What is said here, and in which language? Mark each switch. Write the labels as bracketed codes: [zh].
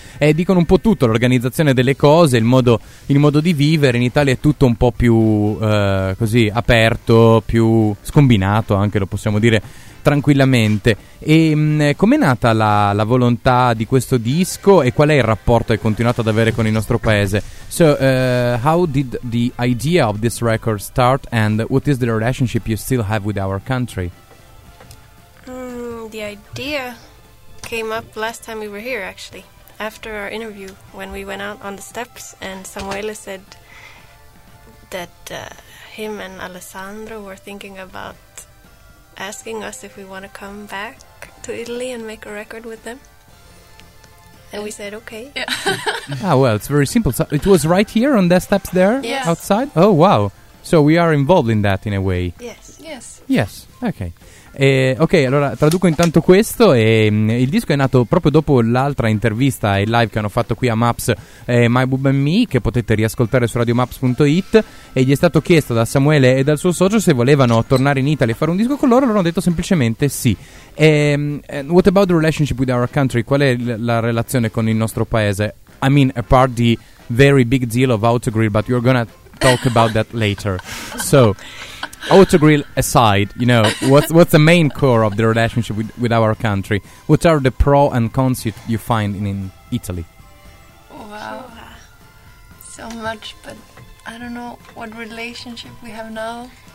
[it] E dicono un po' tutto, l'organizzazione delle cose, il modo di vivere, in Italia è tutto un po' più così aperto, più scombinato anche, lo possiamo dire tranquillamente. E com'è nata la volontà di questo disco e qual è il rapporto che hai continuato ad avere con il nostro paese? [en] So, how did the idea of this record start and what is the relationship you still have with our country? The idea came up last time we were here, actually, after our interview, when we went out on the steps and Samuele said that him and Alessandro were thinking about asking us if we want to come back to Italy and make a record with them. And we said, okay. Yeah. Ah, well, it's very simple. So it was right here on the steps there? Yes. Outside? Oh, wow. So we are involved in that in a way. Yes. Yes. Yes. Okay. Ok, [it] allora traduco intanto questo. Il disco è nato proprio dopo l'altra intervista e live che hanno fatto qui a Maps, My Boob and Me, che potete riascoltare su radiomaps.it. E gli è stato chiesto da Samuele e dal suo socio se volevano tornare in Italia e fare un disco con loro. Loro hanno detto semplicemente sì. [en] What about the relationship with our country? [it] Qual è la relazione con il nostro paese? [en] I mean, a part the very big deal of Autogrill, but you're gonna talk about that later. So, Autogrill aside, you know, what's the main core of the relationship with our country? What are the pros and cons you find in Italy? Wow, so much, but I don't know what relationship we have now.